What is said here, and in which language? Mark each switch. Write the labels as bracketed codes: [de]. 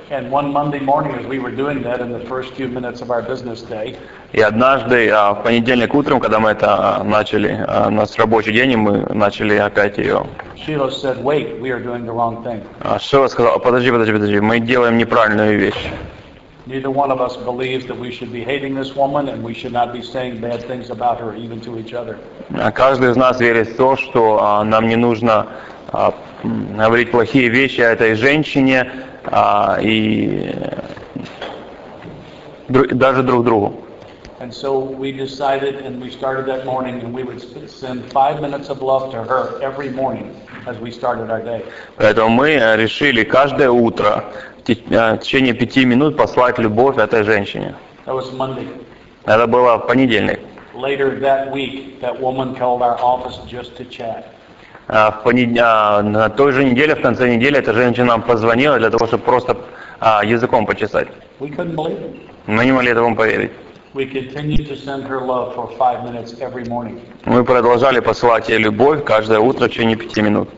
[ru] И однажды, в понедельник утром, когда мы это начали, у нас рабочий день, и мы начали опять ее. Шила сказала, подожди, мы делаем неправильную вещь. [en] Neither one of us believes that we should be hating this woman and we should not be saying bad things about her even to each other. [ru] Каждый из нас верит в то, что нам не нужно говорить плохие вещи о этой женщине и даже друг другу. [en] And so we decided and we started that morning and we would send 5 minutes of love to her every morning as we started our day. [ru] Поэтому мы решили каждое утро в течение 5 минут послать любовь этой женщине. [en] That was Monday. [ru] Это было в понедельник. [en] Later that week, that woman called our office just to chat. [ru] На той же неделе, в конце недели, эта женщина нам позвонила для того, чтобы просто языком почесать. [en] We couldn't believe it. [ru] Мы не могли этому поверить. [en] We continued to send her love for 5 minutes every morning. [ru] Мы продолжали посылать ей любовь каждое утро в течение 5 минут.